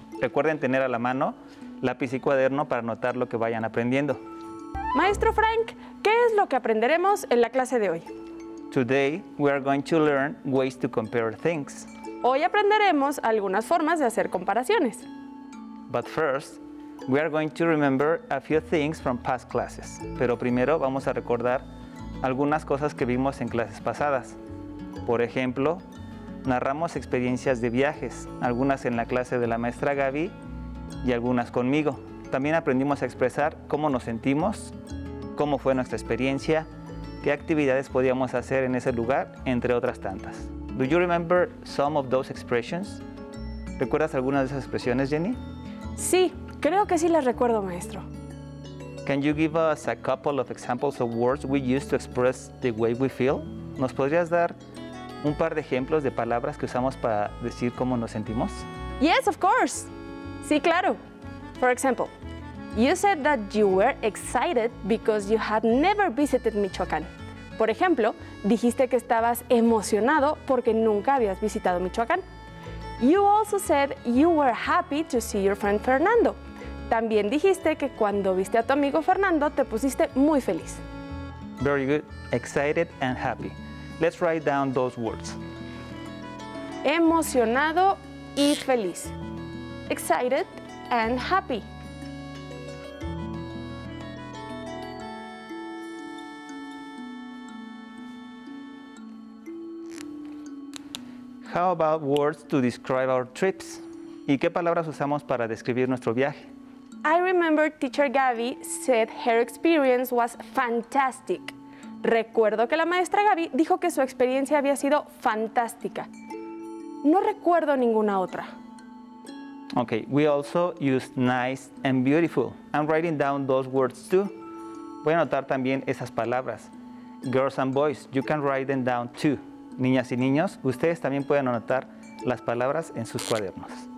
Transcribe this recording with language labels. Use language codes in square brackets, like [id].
[es] Recuerden tener a la mano lápiz y cuaderno para anotar lo que vayan aprendiendo. Maestro Frank, ¿qué es lo que aprenderemos en la clase de hoy? [en] Today we are going to learn ways to compare things. [es] Hoy aprenderemos algunas formas de hacer comparaciones. [en] But first, we are going to remember a few things from past classes. [es] Pero primero vamos a recordar algunas cosas que vimos en clases pasadas. Por ejemplo, narramos experiencias de viajes, algunas en la clase de la maestra Gaby y algunas conmigo. También aprendimos a expresar cómo nos sentimos, cómo fue nuestra experiencia, qué actividades podíamos hacer en ese lugar, entre otras tantas. [en] Do you remember some of those expressions? [es] ¿Recuerdas algunas de esas expresiones, Jenny? Sí, creo que sí las recuerdo, maestro. [en] Can you give us a couple of examples of words we use to express the way we feel? [es] ¿Nos podrías dar un par de ejemplos de palabras que usamos para decir cómo nos sentimos? [en] Yes, of course. [es] Sí, claro. [en] For example, you said that you were excited because you had never visited Michoacán. [es] Por ejemplo, dijiste que estabas emocionado porque nunca habías visitado Michoacán. [en] You also said you were happy to see your friend Fernando. [es] También dijiste que cuando viste a tu amigo Fernando, te pusiste muy feliz. [en] Very good. Excited and happy. Let's write down those words. [es] Emocionado y feliz. [en] Excited and happy. How about words to describe our trips? [es] ¿Y qué palabras usamos para describir nuestro viaje? [en] I remember teacher Gaby said her experience was fantastic. [es] Recuerdo que la maestra Gaby dijo que su experiencia había sido fantástica. No recuerdo ninguna otra. [en] Okay, we also used nice and beautiful. I'm writing down those words too. [es] Voy a anotar también esas palabras. [en] Girls and boys, you can write them down too. [es] Niñas y niños, ustedes también pueden anotar las palabras en sus cuadernos.